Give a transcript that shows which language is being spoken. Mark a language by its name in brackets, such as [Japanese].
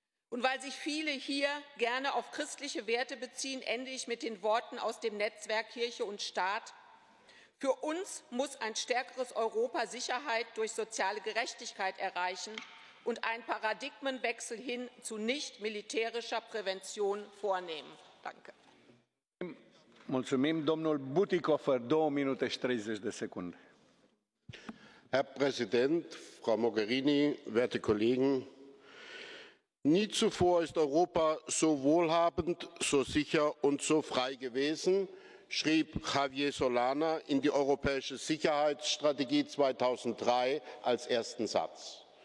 [German] Und weil sich viele hier gerne auf christliche Werte beziehen, ende ich mit den Worten aus dem Netzwerk Kirche und Staat. Für uns muss ein stärkeres Europa Sicherheit durch soziale Gerechtigkeit erreichen und einen Paradigmenwechsel hin zu nicht militärischer Prävention vornehmen. Danke. [Romanian] Mulțumim, domnul Butikofer, 2 minute și 30 de secunde. [German] Herr Präsident, Frau Mogherini, werte Kollegen, nie zuvor ist Europa so wohlhabend, so sicher und so frei gewesen, schrieb Javier Solana in die Europäische Sicherheitsstrategie 2003 als ersten Satz.